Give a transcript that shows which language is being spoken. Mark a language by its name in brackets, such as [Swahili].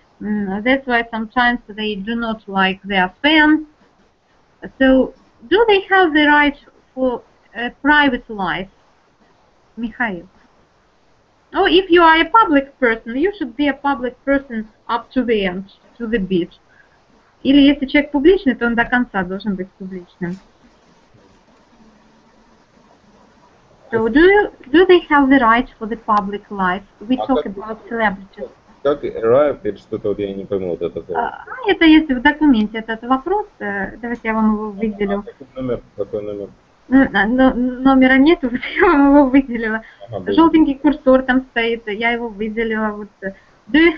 [English] That's why sometimes they do not like their fans. So, do they have the right for a private life, Mikhail? Oh, if you are a public person, you should be a public person up to the end, to the beat. [Russian] Или если человек публичный, то он до конца должен быть публичным. [English] So do they have the right for the public life? We talk about celebrities. [Russian] Как right? Это что-то вот я не понял, вот это. Это есть в документе этот вопрос. Давайте я вам его выделю. Какой номер? Номера нет, вот я вам его выделила. Желтенький курсор там стоит, я его выделила. Вот. [English] Do you have...